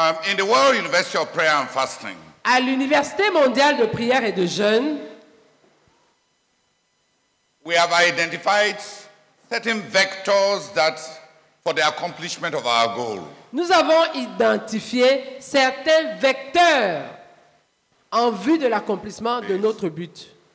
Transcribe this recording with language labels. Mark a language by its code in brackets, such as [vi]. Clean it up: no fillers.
[en] In the World University of Prayer and Fasting, [fr] à l'Université mondiale de prière et de jeûne, [en] we have identified certain vectors that for the accomplishment of our goal. [fr] Nous avons identifié certains vecteurs en vue de l'accomplissement de notre but.